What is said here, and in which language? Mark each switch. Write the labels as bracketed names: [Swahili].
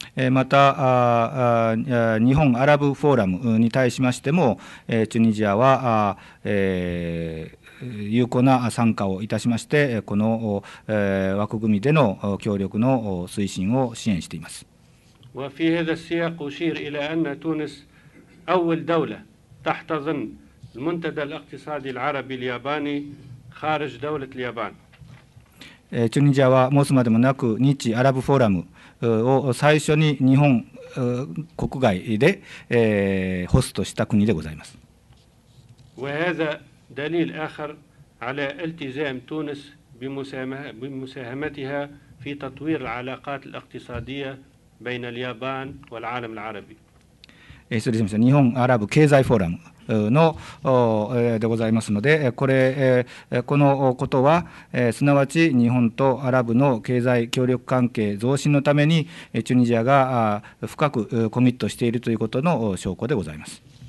[Japanese] また日本アラブフォーラムに対しましてもチュニジアは有効な参加をいたしましてこの枠組みでの協力の推進を支援しています。 [Arabic] وفي هذا السياق أشير إلى أن تونس أول دولة تحتضن المنتدى الاقتصادي العربي الياباني خارج دولة اليابان。 [Japanese] チュニジアは申すまでもなく日アラブフォーラムを最初に日本国外でホストした国でございます。 [Arabic] وهذا دليل آخر على التزام تونس بمساهمتها في تطوير العلاقات الاقتصادية بين اليابان والعالم العربي。 [Japanese] 失礼しました。日本アラブ経済フォーラムのでございますので、これこのことはすなわち日本とアラブの経済協力関係増進のためにチュニジアが深くコミットしているということの証拠でございます。